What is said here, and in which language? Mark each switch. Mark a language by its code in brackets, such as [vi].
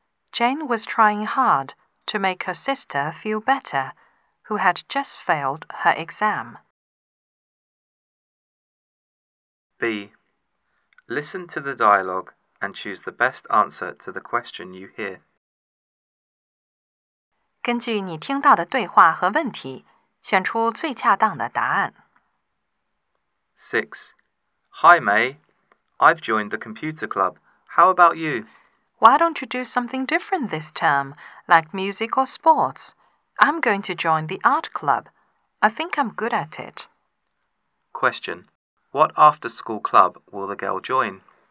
[en] Jane was trying hard to make her sister feel better, who had just failed her exam. B. Listen to the dialogue and choose the best answer to the question you hear. [zh] 根据你听到的对话和问题，选出最恰当的答案。 [en] 6. Hi, May. I've joined the computer club. How about you? Why don't you do something different this term, like music or sports? I'm going to join the art club. I think I'm good at it. Question. What after-school club will the girl join?